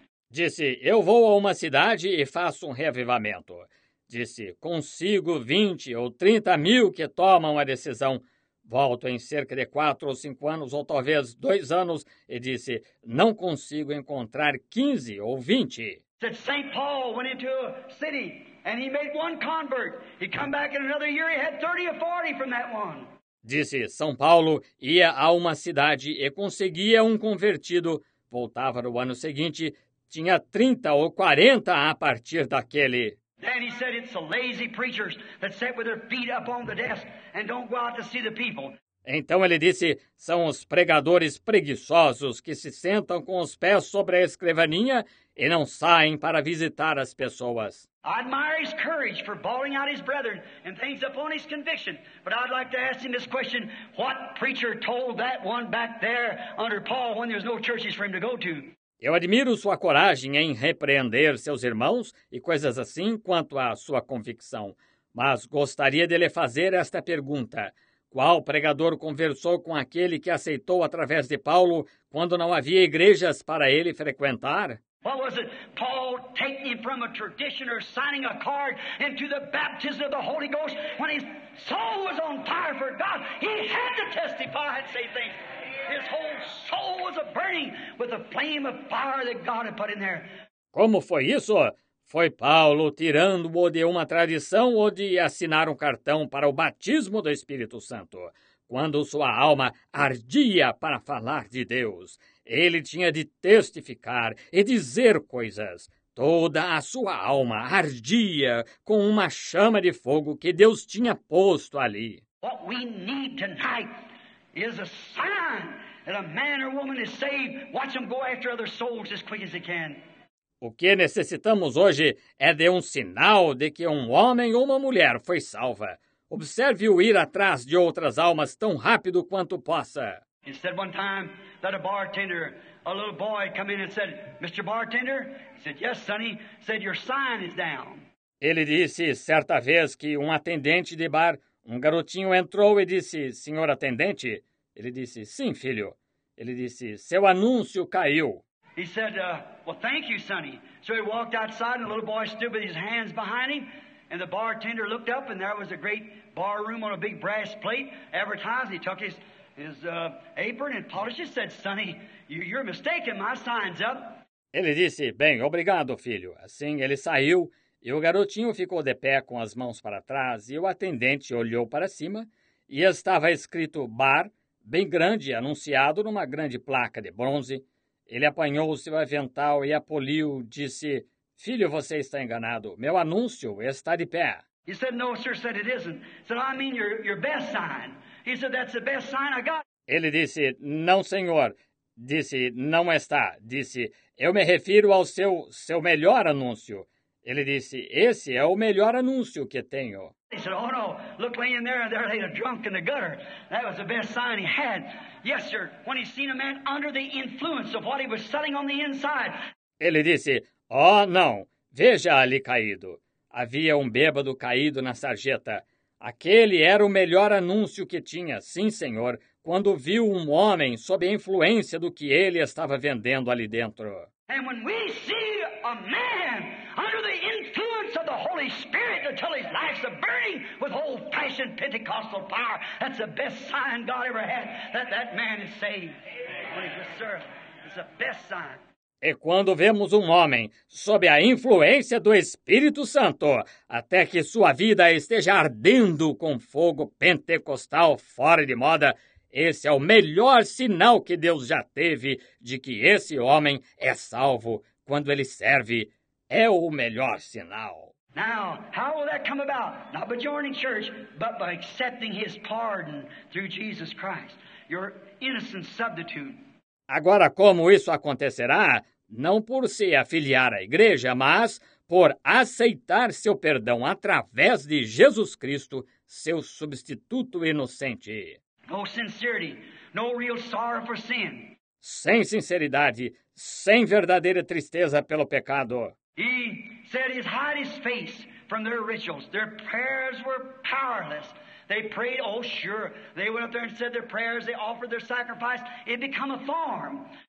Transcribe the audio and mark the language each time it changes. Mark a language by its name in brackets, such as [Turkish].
[Portuguese] Disse, eu vou a uma cidade e faço um reavivamento. Disse, consigo 20 ou 30 mil que tomam a decisão. Volto em cerca de 4 ou 5 anos, ou talvez 2 anos, e disse, não consigo encontrar 15 ou 20. [English] Said St. Paul went into a city and he made one convert. He come back in another year, he had 30 or 40 from that one. [Portuguese] Disse, São Paulo ia a uma cidade e conseguia um convertido. Voltava no ano seguinte, tinha 30 ou 40 a partir daquele. [English] Then he said it's the lazy preachers that sit with their feet up on the desk and don't go out to see the people. [Portuguese] Então ele disse, são os pregadores preguiçosos que se sentam com os pés sobre a escrivaninha e não saem para visitar as pessoas. [English] I admire his courage for bawling out his brethren and things upon his conviction, but I'd like to ask him this question, what preacher told that one back there under Paul when there's no churches for him to go to? [Portuguese] Eu admiro sua coragem em repreender seus irmãos e coisas assim quanto à sua convicção, mas gostaria de lhe fazer esta pergunta. Qual pregador conversou com aquele que aceitou através de Paulo quando não havia igrejas para ele frequentar? [English] What was it? Paul taking him from a tradition or signing a card into the baptism of the Holy Ghost when his soul was on fire for God. He had to testify and say things. His whole soul was a burning with the flame of fire that God had put in there. [Portuguese] Como foi isso? Foi Paulo tirando-o de uma tradição ou de assinar um cartão para o batismo do Espírito Santo, quando sua alma ardia para falar de Deus. Ele tinha de testificar e dizer coisas. Toda a sua alma ardia com uma chama de fogo que Deus tinha posto ali. [English] What we need tonight is a sign that a man or woman is saved. Watch them go after other souls as quick as they can. [Portuguese] O que necessitamos hoje é de um sinal de que um homem ou uma mulher foi salva. Observe-o ir atrás de outras almas tão rápido quanto possa. [English] He said one time that a bartender, a little boy, come in and said, "Mr. Bartender," he said, "Yes, sonny," he said, "your sign is down." [Portuguese] Ele disse certa vez que um atendente de bar, um garotinho entrou e disse, "Senhor atendente, Ele disse, sim, filho. Ele disse, seu anúncio caiu. [English] He said, well, thank you, sonny. So he walked outside and the little boy stood with his hands behind him. And the bartender looked up and there was a great bar room on a big brass plate advertising. He took his apron and polished it. Said, sonny, you're mistaken, my sign's up. [Portuguese] Ele disse, bem, obrigado, filho. Assim, ele saiu e o garotinho ficou de pé com as mãos para trás e o atendente olhou para cima e estava escrito bar, bem grande, anunciado numa grande placa de bronze. Ele apanhou o seu avental e a poliu, disse, filho, você está enganado, meu anúncio está de pé. [English] He said, no, sir, said it isn't. He said, I mean your best sign. He said, that's the best sign I got. [Portuguese] Ele disse, não, senhor. Disse, não está. Disse, eu me refiro ao seu melhor anúncio. Ele disse, esse é o melhor anúncio que tenho. [English] He said, oh, no, look, laying there lay a drunk in the gutter. That was the best sign he had. Yes, sir, when he seen a man under the influence of what he was selling on the inside. [Portuguese] Ele disse, oh, não, veja ali caído. Havia um bêbado caído na sarjeta. Aquele era o melhor anúncio que tinha, sim, senhor, quando viu um homem sob a influência do que ele estava vendendo ali dentro. [English] And when we see a man under the influence of the Holy Spirit until his life's a burning with old-fashioned Pentecostal power, that's the best sign God ever had, that man is saved. Yes, sir, it's the best sign. [Portuguese] E quando vemos um homem sob a influência do Espírito Santo, até que sua vida esteja ardendo com fogo pentecostal fora de moda, esse é o melhor sinal que Deus já teve de que esse homem é salvo. Quando ele serve, é o melhor sinal. [English] Now, how will that come about? Not by joining church, but by accepting his pardon through Jesus Christ, your innocent substitute. [Portuguese] Agora, como isso acontecerá? Não por se afiliar à igreja, mas por aceitar seu perdão através de Jesus Cristo, seu substituto inocente. [English] No sincerity, no real sorrow for sin. [Portuguese] Sem sinceridade, sem verdadeira tristeza pelo pecado. [English] He said he hid his face from their rituals. Their prayers were powerless. They prayed, oh sure, they went up there and said their prayers, they offered their sacrifice, it became a thorn.